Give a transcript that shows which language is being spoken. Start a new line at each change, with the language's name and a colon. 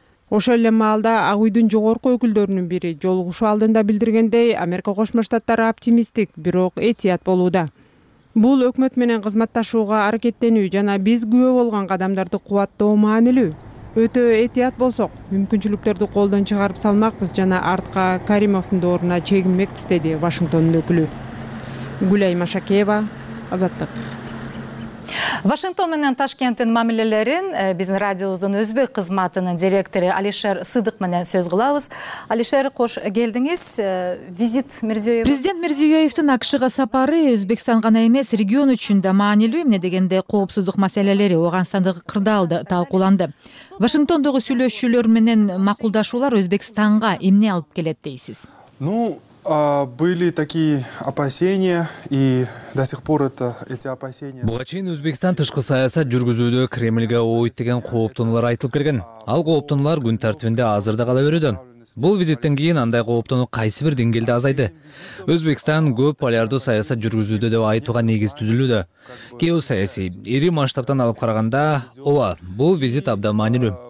Kyrgyz: Ошол эле маалда Ак Үйдүн жогорку өкүлдөрүнүн бири жолугушуу алдында билдиргендей, Америка Кошмо Штаттары оптимисттик, бирок этият болууда. Бул өкмөт менен кызматташууга аракеттенүү жана биз күбө болгон кадамдарды кубаттоо маанилүү. Өтө этият болсок, мүмкүнчүлүктөрдү колдон чыгарып салмакпыз жана артка Каримовдун доруна чегинмекпиз, деди Вашингтондун өкүлү. Гүлайма Шакеева, Азаттык. Вашингтон менен Ташкенттин мамилелерин биздин радиобуздун өзбек кызматынын директору Алишер Сыдык менен сөз кылабыз. Алишер, кош келдиңиз. Визит Мирзиёев. Президент Мирзиёевдин АКШга сапары Өзбекстан гана эмес, регион үчүн да маанилүү. Эмне дегенде, коопсуздук маселелери Ооганстандагы кырдаалда талкууланды. Вашингтондогу сүйлөшүүлөр менен макулдашуулар Өзбекстанга эмне алып келет дейсиз?
Russian: Были такие опасения и до сих пор это эти опасения.
Kyrgyz: Буга чейин Өзбекстан тышкы саясат жүргүзүүдө Кремльге ооит деген кооптонулар айтылып келген. Ал кооптонулар күн тартибинде азыр да кала берүүдө. Бул визиттен кийин андай кооптонуу кайсы бир деңгээлде азайды. Өзбекстан көп полярдуу саясат жүргүзүүдө деп айтууга негиз түзүлүүдө. Геосаясий, ири масштабтан алып караганда, ооба, бул визит абдан маанилүү.